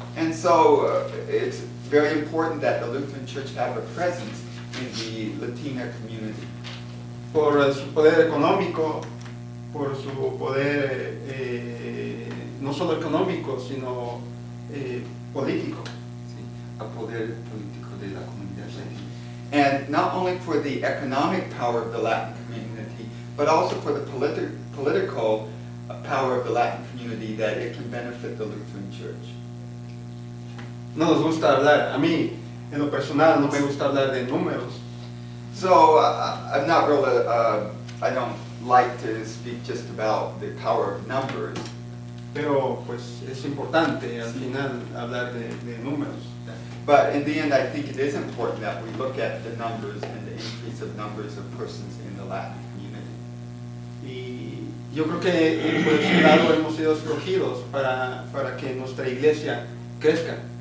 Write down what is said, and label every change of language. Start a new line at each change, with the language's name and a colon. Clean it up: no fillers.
English: And so it's very important that the Lutheran Church have a presence in the Latina community.
Spanish: Por su poder económico, por su poder no solo económico, sino político. Sí, a poder político de la comunidad latina.
English: And not only for the economic power of the Latin community, but also for the political power of the Latin community, that it can benefit the Lutheran Church.
Spanish: No nos gusta hablar, a mí, en lo personal, no me gusta hablar de números.
English: So, I'm not really, I don't like to speak just about the power of numbers.
Spanish: Pero, pues, es importante, al sí. Final, hablar de números.
English: But in the end, I think it is important that we look at the numbers and the increase of numbers of persons in the Latin community.
Spanish: Y yo creo que, por ese lado, hemos sido escogidos para que nuestra iglesia crezca.